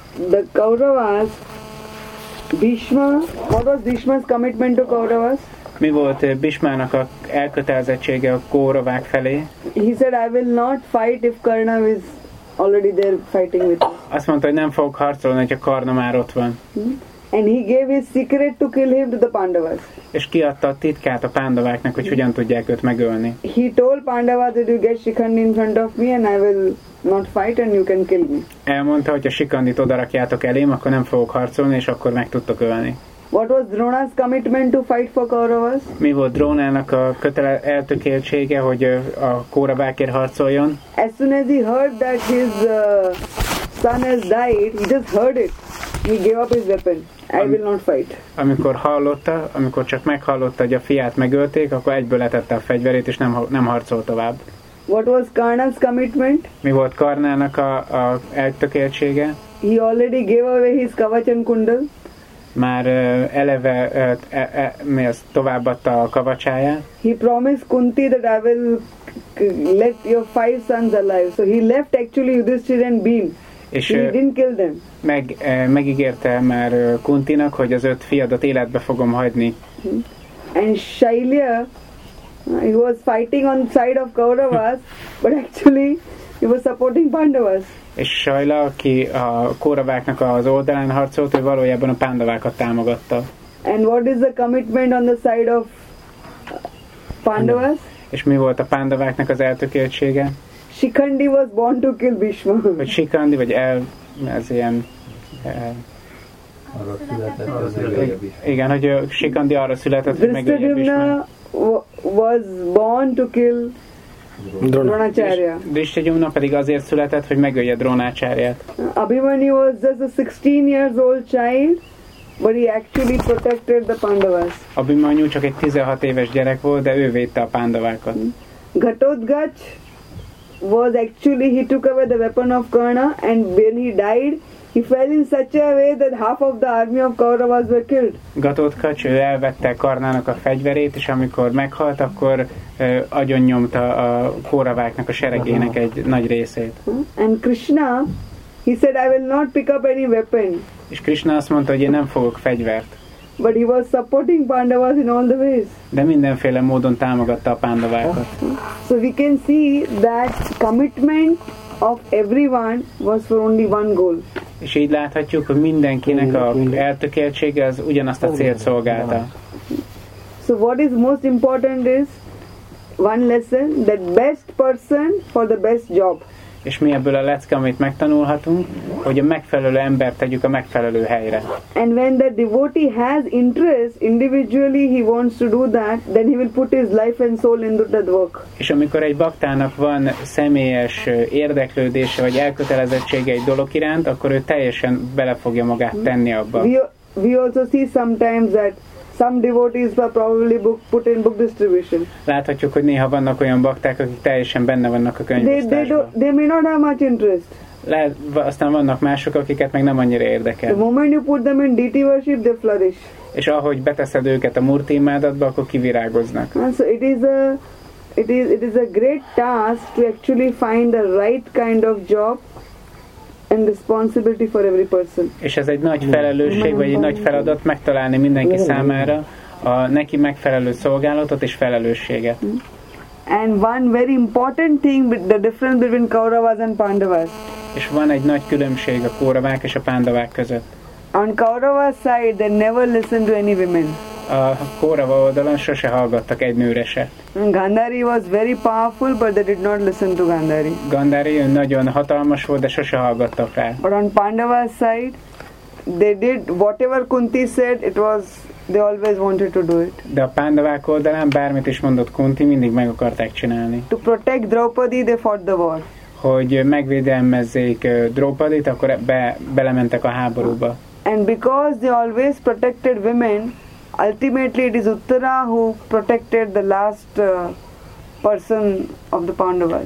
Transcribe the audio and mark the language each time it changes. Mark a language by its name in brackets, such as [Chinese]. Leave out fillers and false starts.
[English] The Kauravas, Bhishma, what was Bhishma's commitment to Kauravas? [Hungarian] Mi volt Bhishmának a elkötelezettsége a Kauravák felé? [English] He said, I will not fight if Karna is already there fighting with me. [Hungarian] Azt mondta, hogy nem fogok harcolni, hogyha Karna már ott van. [English] And he gave his secret to kill him to the Pandavas. [Hungarian] És kiadta a titkát a Pandaváknak, hogy hogyan tudják őt megölni. [English] He told Pandavas that you get Shikhandi in front of me and I will not fight and you can kill me. [Hungarian] Elmondta, hogy ha Shikhandit odarakjátok elém, akkor nem fogok harcolni, és akkor meg tudtok ölni. [English] What was Drona's commitment to fight for Kauravas? [Hungarian] Mi volt Drónának a eltökéltsége, hogy a Kauravákért harcoljon? [English] As soon as he heard that his son has died, he just heard it. He gave up his weapon. I will not fight. [Hungarian] Amikor hallotta, amikor csak meghallotta, hogy a fiát megölték, akkor egyből letette a fegyverét, és nem harcolt tovább. [English] What was Karna's commitment? [Hungarian] Mi volt Karnának a eltökéltsége? [English] He already gave away his kavach and kundal. [Hungarian] Már eleve mi az, továbbadta a kavacsáját. [English] He promised Kunti that I will let your five sons alive. So he left actually Yudhishthir and Bhim. [Hungarian] És [English] he didn't kill them. [Hungarian] Megígérte már Kuntinak, hogy az öt fiadat életbe fogom hagyni. [English] And Shailya, he was fighting on side of Kauravas, but actually he was supporting Pandavas. [Hungarian] És Shaila, aki a Kauraváknak az oldalán harcolt, ő valójában a Pandavákat támogatta. [English] And what is the commitment on the side of Pandavas? [Hungarian] És mi volt a Pandaváknak az eltökéltsége? [English] Shikhandi was born to kill Bhishma. [Hungarian] Vagy Shikhandi, vagy ez ilyen... arra született, az ő. Igen, hogy Shikhandi arra született, hogy megölje Bhishma. [English] Drishtadyumna was born to kill Dronacharya. [Hungarian] Drishtadyumna pedig azért született, hogy megölje Dronacharyát. [English] Abhimanyu was just a 16 years old child, but he actually protected the Pandavas. [Hungarian] Abhimanyu csak egy 16 éves gyerek volt, de ő védte a Pandavákat. [English] Ghatotkach was actually, he took away the weapon of Karna and when he died, he fell in such a way that half of the army of Kauravas were killed. [Hungarian] Ghatotkach, ő elvette Karnának a fegyverét, és amikor meghalt, akkor agyonnyomta a Kauraváknak a seregének egy nagy részét. [English] And Krishna, he said, I will not pick up any weapon. [Hungarian] És Krishna azt mondta, hogy én nem fogok fegyvert. [English] But he was supporting Pandavas in all the ways. [Hungarian] De mindenféle módon támogatta a Pandavákat. [English] So we can see that commitment of everyone was for only one goal. [Hungarian] És így láthatjuk, hogy mindenkinek a eltökéltsége az ugyanazt a célt szolgálta. [English] So what is most important is one lesson, that best person for the best job. [Hungarian] És mi ebből a lecke, amit megtanulhatunk, hogy a megfelelő embert tegyük a megfelelő helyre. [English] And when the devotee has interest, individually he wants to do that, then he will put his life and soul into that work. [Hungarian] És amikor egy baktának van személyes érdeklődése, vagy elkötelezettsége egy dolog iránt, akkor ő teljesen bele fogja magát tenni abba. [English] We also see sometimes that some devotees are probably put in book distribution. [Hungarian] Láthatjuk, hogy néha vannak olyan bakták, akik teljesen benne vannak a könyvosztásban. [English] They may not have much interest. [Hungarian] Aztán vannak mások, akiket meg nem annyira érdekel. [English] The moment you put them in deity worship, they flourish. [Hungarian] És ahogy beteszed őket a murti imádatba, akkor kivirágoznak. [English] And so it is a great task to actually find the right kind of job and responsibility for every person. [Hungarian] És ez egy nagy felelősség, vagy egy nagy feladat megtalálni mindenki számára a neki megfelelő szolgálatot és felelősséget. [English] And one very important thing, the difference between Kauravas and Pandavas. [Hungarian] És van egy nagy különbség a Kauravák és a Pandavák között. [English] On Kaurava's side, they never listen to any women. [Hungarian] A Kaurava oldalon sose hallgattak egy nőre se. [English] Gandhari was very powerful, but they did not listen to Gandhari. [Hungarian] Gandhari nagyon hatalmas volt, de sose hallgattak rá. [English] But on Pandava's side, they did whatever Kunti said, it was, they always wanted to do it. [Hungarian] De a Pandavák oldalán bármit is mondott Kunti, mindig meg akarták csinálni. [English] To protect Draupadi, they fought the war. [Hungarian] Hogy megvédelmezzék Draupadit, akkor belementek a háborúba. [English] And because they always protected women, ultimately it is Uttara who protected the last person of the Pandavas.